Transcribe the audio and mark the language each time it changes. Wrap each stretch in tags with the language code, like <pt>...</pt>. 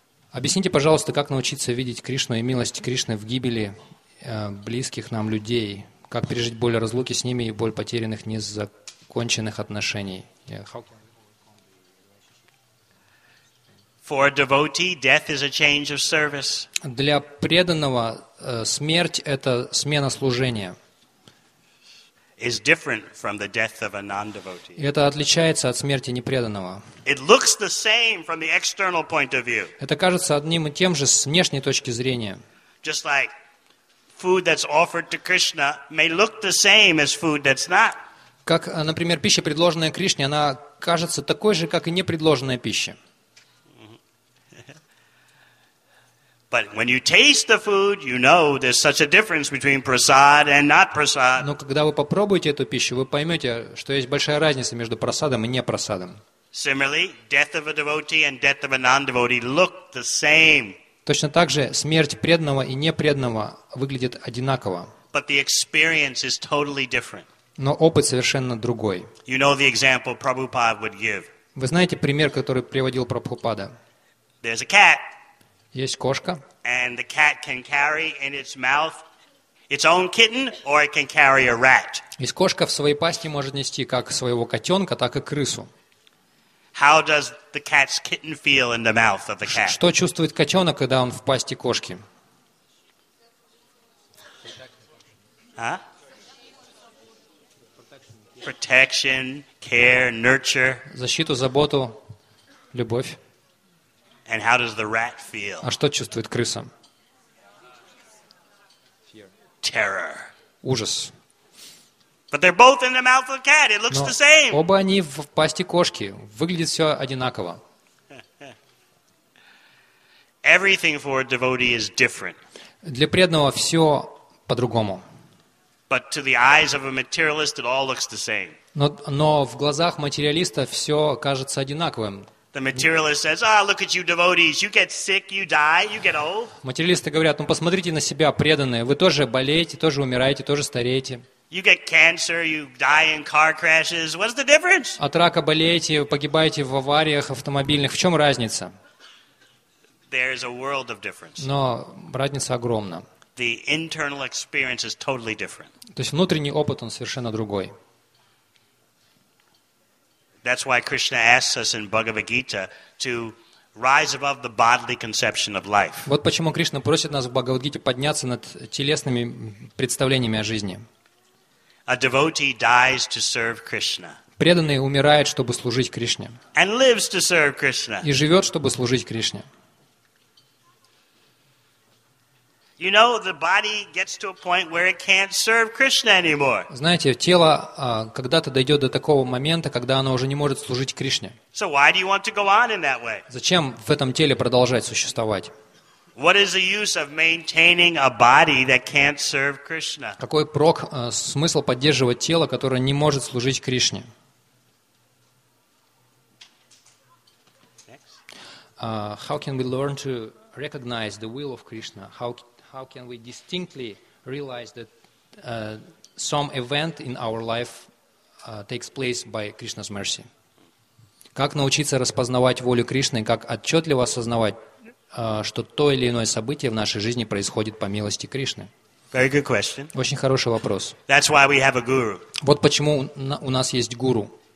<ru>Объясните, пожалуйста, как научиться видеть Кришну и милость Кришны в гибели близких нам людей, как пережить боль разлуки с ними и боль потерянных незаконченных отношений.</ru> <en>For a devotee, death is a change of service.</en> <ru>Для преданного смерть это смена служения.</ru> <en>Is different from the death of a non-devotee.</en> <ru>Это отличается от смерти непреданного.</ru> <en>It looks the same from the external point of view.</en> <ru>Это кажется одним и тем же с внешней точки зрения.</ru> <en>Just like food that's offered to Krishna may look the same as food that's not.</en> <ru>Как, например, пища, предложенная Кришне, она кажется такой же, как и непредложенная пища.</ru> <en>But when you taste the food, you know there's such a difference between prasad and not prasad.</en> <ru>Но когда вы попробуете эту пищу, вы поймете, что есть большая разница между прасадом и не прасадом.</ru> <en>Similarly, death of a devotee and death of a non-devotee look the same.</en> <ru>Точно так же смерть преданного и непреданного выглядит одинаково.</ru> <en>But the experience is totally different.</en> <ru>Но опыт совершенно другой.</ru> <en>You know the example Prabhupada would give.</en> <ru>Вы знаете пример, который приводил Прабхупада?</ru> <en>There's a cat.</en> <ru>Есть кошка.</ru> <en>And the cat can carry in its mouth its own kitten, or it can carry a rat.</en> <ru>И кошка в своей пасти может нести как своего котенка, так и крысу.</ru> <en>How does the cat's kitten feel in the mouth of the cat?</en> <ru>Что чувствует котенок, когда он в пасти кошки?</ru> <en>Protection, care, nurture.</en> <ru>Защиту, заботу, любовь.</ru> <en>And how does the rat feel?</en> <ru>А что чувствует крыса?</ru> <en>Terror.</en> <ru>Ужас.</ru> <en>But they're both in the mouth of the cat. It looks the same.</en> <ru>Оба они в пасти кошки. Выглядит все одинаково.</ru> <en>Everything for a devotee is different.</en> <ru>Для преданного все по-другому.</ru> <en>But to the eyes of a materialist, it all looks the same.</en> <ru>Но в глазах материалиста все кажется одинаковым.</ru> <en>The materialist says, "Ah, look at you, devotees. You get sick, you die, you get old."</en> <ru>Материалисты говорят: "Ну посмотрите на себя, преданные. Вы тоже болеете, тоже умираете, тоже стареете."</ru> <en>You get cancer, you die in car crashes. What's the difference?</en> <ru>От рака болеете, погибаете в авариях автомобильных. В чем разница?</ru> <en>There's a world of difference.</en> <ru>Но разница огромна.</ru> <en>The internal experience is totally different.</en> <ru>То есть внутренний опыт он совершенно другой.</ru> <en>That's why Krishna asks us in Bhagavad Gita to rise above the bodily conception of life.</en> <ru>Вот почему Кришна просит нас в Бхагавад Гите подняться над телесными представлениями о жизни.</ru> <en>A devotee dies to serve Krishna.</en> <ru>Преданный умирает, чтобы служить Кришне.</ru> <en>And lives to serve Krishna.</en> <ru>И живет, чтобы служить Кришне.</ru> <en>You know, the body gets to a point where it can't serve Krishna anymore.</en> <ru>Знаете, тело когда-то дойдет до такого момента, когда оно уже не может служить Кришне.</ru> <en>So why do you want to go on in that way?</en> <ru>Зачем в этом теле продолжать существовать?</ru> <en>What is the use of maintaining a body that can't serve Krishna?</en> <ru>Какой прок, смысл поддерживать тело, которое не может служить Кришне?</ru> <en>How can we learn to recognize the will of Krishna? How can we distinctly realize that some event in our life takes place by Krishna's mercy?</en> <ru>Как научиться распознавать волю Кришны, как отчетливо осознавать что то или иное событие в нашей жизни происходит по милости Кришны?</ru> <en>Very good question.</en> <ru>Очень хороший вопрос.</ru> <en>That's why we have a guru.</en> <ru>Вот почему у нас есть гуру.</ru>